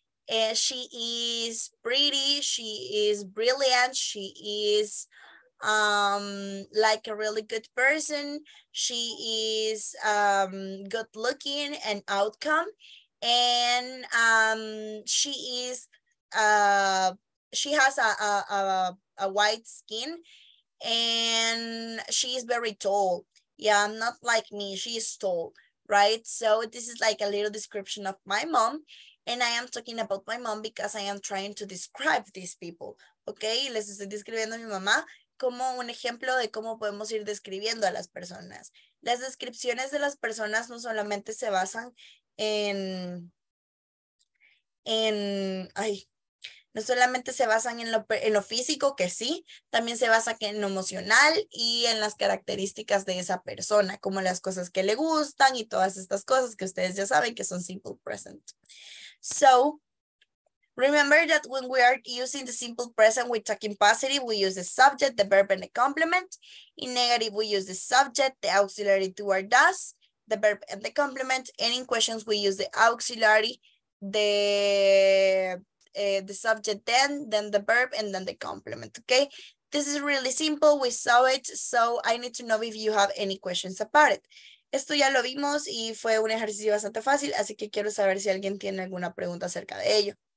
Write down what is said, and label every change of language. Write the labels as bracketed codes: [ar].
[en] And she is pretty, she is brilliant, she is like a really good person, she is good looking and outcome, and she is she has a white skin and she is very tall. Yeah, not like me, she is tall, right? So this is like a little description of my mom, and I am talking about my mom because I am trying to describe these people. [es] Okay, les estoy describiendo a mi mamá como un ejemplo de cómo podemos ir describiendo a las personas. Las descripciones de las personas no solamente se basan en lo físico, que sí, también se basa en lo emocional y en las características de esa persona, como las cosas que le gustan y todas estas cosas que ustedes ya saben que son simple present. [en] So, remember that when we are using the simple present, we talk in positive, we use the subject, the verb, and the complement. In negative, we use the subject, the auxiliary do or does, the verb, and the complement. And in questions, we use the auxiliary, the subject, then the verb, and then the complement, okay? This is really simple, we saw it, so I need to know if you have any questions about it. [es] Esto ya lo vimos y fue un ejercicio bastante fácil, así que quiero saber si alguien tiene alguna pregunta acerca de ello.